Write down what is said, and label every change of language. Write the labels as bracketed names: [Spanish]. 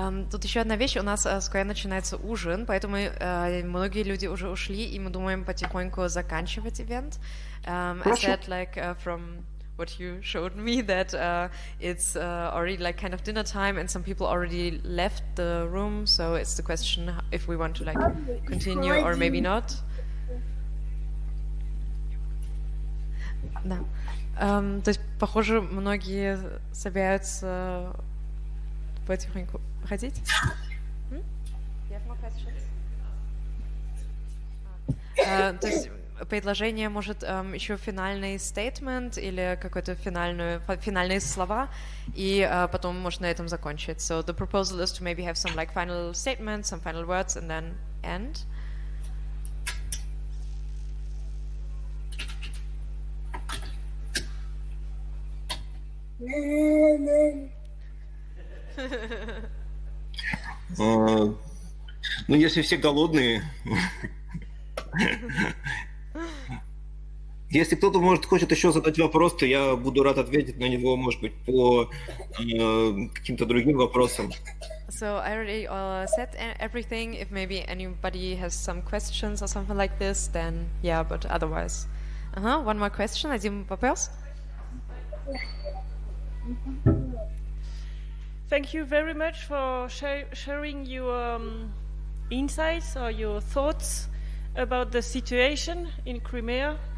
[Russian] Тут еще одна вещь, у нас скоро начинается ужин, поэтому многие люди уже ушли, и мы думаем потихоньку заканчивать ивент. [English] I said, like, from what you showed me, that it's already like kind of dinner time, and some people already left the room, so it's the question if we want to like continue or maybe not. [Russian] Да. То есть, похоже, многие собираются потихоньку ходить. То есть, предложение, может, еще финальный statement или какой-то финальные слова, и потом можно на этом закончить. [English] So the proposal is to maybe have some like final statement, some final words, and then end. [Russian] Ну, если все голодные, если кто-то может хочет еще задать вопрос, то я буду рад ответить на него, может быть, по каким-то другим вопросам. [English] So I already said everything. If maybe anybody has some questions or something like this, then yeah. But otherwise, one more question. [Russian] Один вопрос. [English] Thank you very much for sharing your insights or your thoughts about the situation in Crimea.